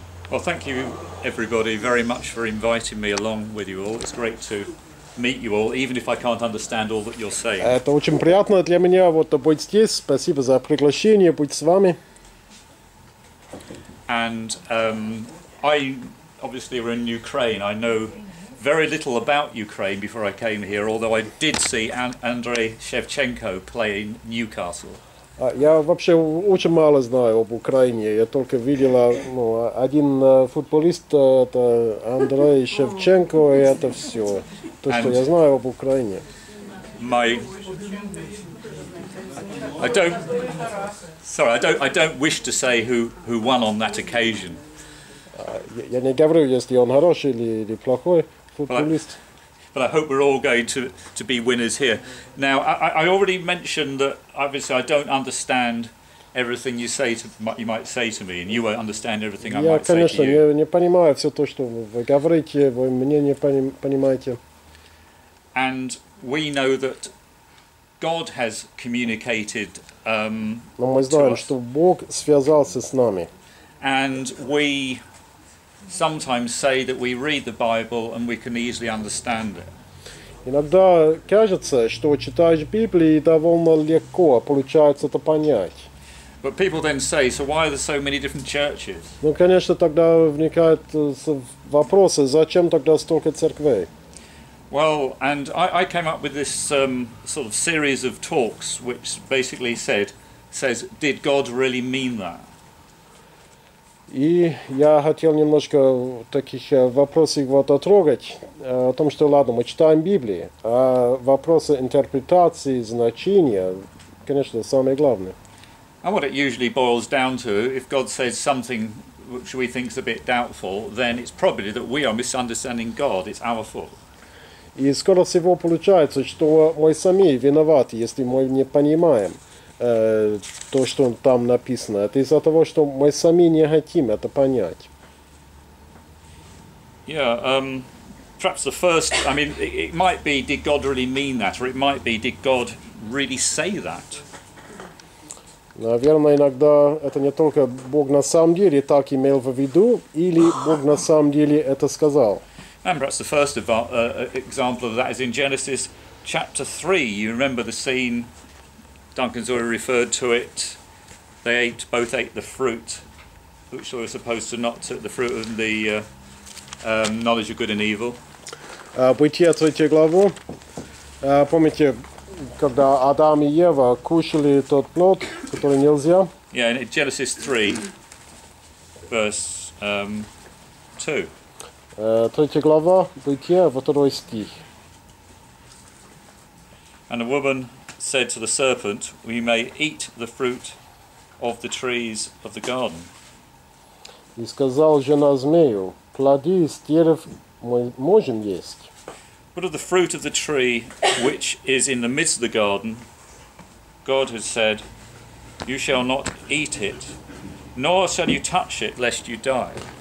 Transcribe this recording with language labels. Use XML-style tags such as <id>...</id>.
<en>Well, thank you, everybody, very much for inviting me along with you all. It's great to meet you all, even if I can't understand all that you're saying.</en> <ru>Это очень приятно для меня вот быть здесь. Спасибо за приглашение быть с вами.</ru> <en>And I obviously were in Ukraine. I know very little about Ukraine before I came here, although I did see Andrei Shevchenko play in Newcastle.</en> <ru>Я вообще очень мало знаю об Украине. Я только видела, ну, один футболист, это Андрей Шевченко, и это все. То, что я знаю об Украине.</ru> <en>I don't wish to say who won on that occasion.</en> <ru>Я не говорю, если он хороший или плохой футболист.</ru> <en>But I hope we're all going to be winners here. Now, I already mentioned that obviously I don't understand everything you say to you might say to me, and you won't understand everything I might say to you.</en> <ru>Я, конечно, не понимаю все то, что вы говорите, вы меня не понимаете.</ru> <en>And we know that God has communicated.</en> <ru>Но мы знаем, что Бог связался с нами.</ru> <en>And we sometimes say that we read the Bible and we can easily understand it.</en> <ru>Иногда кажется, что читаешь Библию и довольно легко получается это понять.</ru> <en>But people then say, so why are there so many different churches?</en> <ru>Ну, конечно, тогда вникают вопросы, зачем тогда столько церквей?</ru> <en>Well, and I came up with this sort of series of talks which basically says, did God really mean that?</en> <ru>И я хотел немножко таких вопросов вот отрогать, о том, что, ладно, мы читаем Библии, а вопросы интерпретации, значения, конечно, самые главные.</ru> <en>And what it usually boils down to, if God says something which we think is a bit doubtful, then it's probably that we are misunderstanding God, it's our fault.</en> <ru>И скоро всего получается, что мы сами виноваты, если мы не понимаем то, что там написано. Это из-за того, что мы сами не хотим это понять.</ru> <en>Yeah, perhaps the first, I mean, it might be, did God really mean that? Or it might be, did God really say that?</en> <ru>Наверное, иногда это не только Бог на самом деле так имел в виду, или Бог на самом деле это сказал.</ru> <en>And perhaps the first example of that is in Genesis chapter 3. You remember the scene Duncan's already referred to it. They ate, both ate the fruit, which they were supposed to not take the fruit of the knowledge of good and evil.</en> <ru>Бытие, третью главу. Помните, когда Адам и Ева кушали тот плод, который нельзя?</ru> <en>Yeah, in Genesis 3, verse 2.</en> <ru>Третья глава, Бытие, во второй стих.</ru> <en>And a woman said to the serpent, we may eat the fruit of the trees of the garden. И сказал жена змею, плоды из дерев мы можем есть. But of the fruit of the tree which is in the midst of the garden, God has said, you shall not eat it, nor shall you touch it, lest you die.</en>